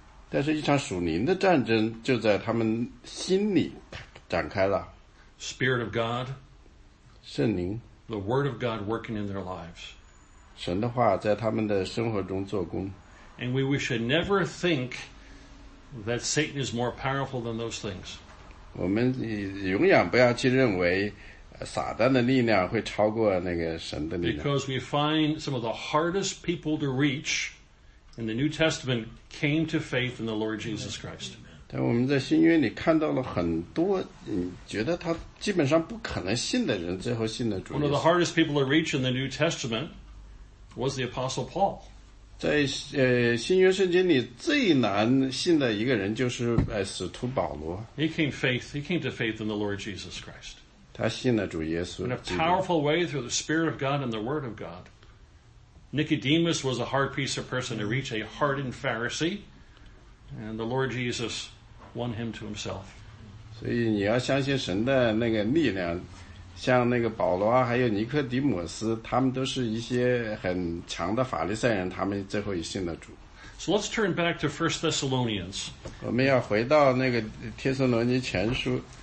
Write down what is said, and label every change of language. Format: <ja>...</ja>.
<zh>但是一场属灵的战争就在他们心里展开了。</zh> <en>Spirit of God.</en> <zh>圣灵。</zh> <en>The word of God working in their lives.</en> <zh>神的话在他们的生活中做工。</zh> <en>And we should never think that Satan is more powerful than those things.</en> <zh>我们永远不要去认为撒旦的力量会超过那个神的力量。</zh> <en>Because we find some of the hardest people to reach in the New Testament came to faith in the Lord Jesus Christ.</en> <zh>但我们在新约里看到了很多觉得他基本上不可能信的人最后信了主耶稣。</zh> <en>One of the hardest people to reach in the New Testament was the Apostle Paul.</en> <zh>在新约圣经里最难信的一个人就是使徒保罗。</zh> <en>He came to faith in the Lord Jesus Christ.</en> <zh>他信了主耶稣。</zh> <en>In a powerful way through the Spirit of God and the Word of God. Nicodemus was a hard piece of person to reach a hardened Pharisee. And the Lord Jesus won him to himself.</en> <zh>所以你要相信神的那个力量。像那个保罗啊，还有尼科迪姆斯，他们都是一些很强的法利赛人，他们最后也信了主。</zh> <en>So let's turn back to 1 Thessalonians.</en> <zh>我们要回到那个帖撒罗尼前书。</zh>